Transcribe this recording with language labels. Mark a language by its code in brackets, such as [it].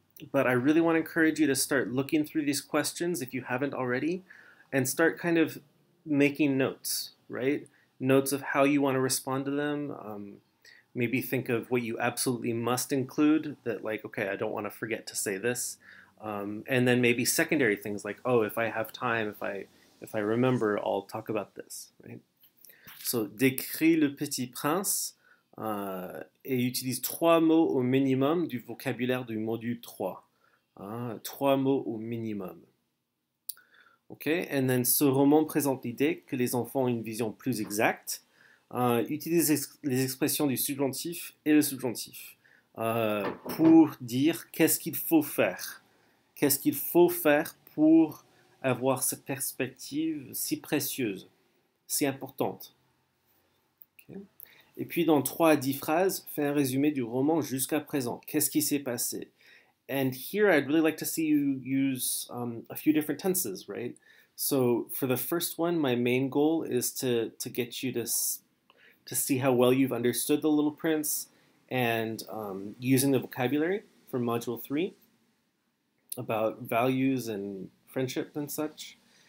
[en] But I really want to encourage you to start looking through these questions if you haven't already, and start kind of making notes, right? Notes of how you want to respond to them. Maybe think of what you absolutely must include, that like, okay, I don't want to forget to say this. And then maybe secondary things like, oh, if I have time, if I remember, I'll talk about this, right? [fr] So, décris le petit prince et utilise trois mots au minimum du vocabulaire du module 3. Hein? Trois mots au minimum. OK, [en] and then [fr] ce roman présente l'idée que les enfants ont une vision plus exacte. Utilise les expressions du subjonctif et le subjonctif pour dire qu'est-ce qu'il faut faire. Qu'est-ce qu'il faut faire pour avoir cette perspective si précieuse, si importante. Okay. Et puis dans 3 à 10 phrases, fais un résumé du roman jusqu'à présent. Qu'est-ce qui s'est passé? [en] And here I'd really like to see you use a few different tenses, right? So for the first one, my main goal is to get you to see how well you've understood the little prints and using the vocabulary for module three about values and friendship and such.